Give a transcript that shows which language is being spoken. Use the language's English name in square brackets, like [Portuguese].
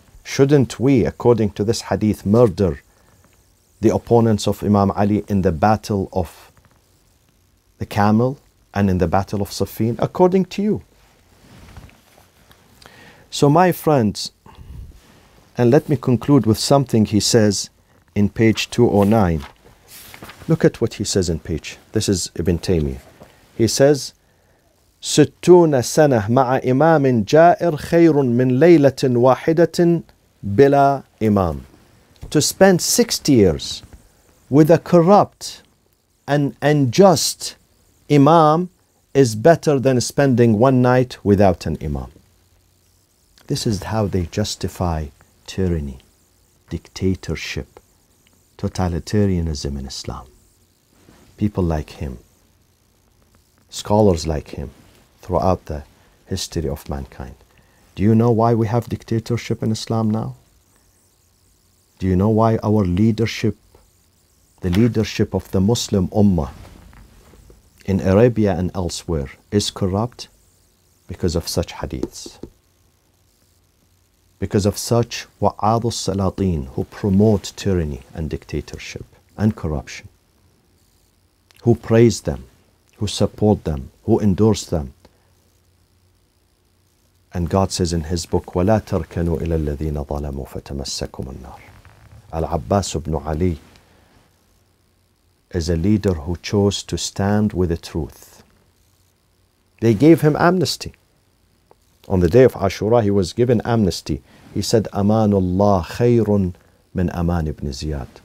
[English] Shouldn't we, according to this hadith, murder the opponents of Imam Ali in the battle of the camel and in the battle of Safin, according to you? So my friends, and let me conclude with something he says in page 209. Look at what he says in page. This is Ibn Taymiyyah. He says, [Arabic] ستون سنة مع إمام جائر خير من ليلة واحدة بلا إمام. [English] To spend 60 years with a corrupt and unjust Imam is better than spending one night without an Imam. This is how they justify tyranny, dictatorship, totalitarianism in Islam. People like him, scholars like him, throughout the history of mankind. Do you know why we have dictatorship in Islam now? Do you know why our leadership, the leadership of the Muslim Ummah in Arabia and elsewhere, is corrupt? Because of such hadiths. Because of such [Arabic] wa'adhu salateen [English] who promote tyranny and dictatorship and corruption. Who praise them, who support them, who endorse them. And God says in his book, [Arabic] وَلَا تَرْكَنُوا إِلَى الَّذِينَ ظَلَمُوا فَتَمَسَّكُمُ النَّارِ. [English] Al-Abbas ibn Ali is a leader who chose to stand with the truth. They gave him amnesty. On the day of Ashura, he was given amnesty. He said, [Arabic] Amanullah khayrun min aman ibn Ziyad.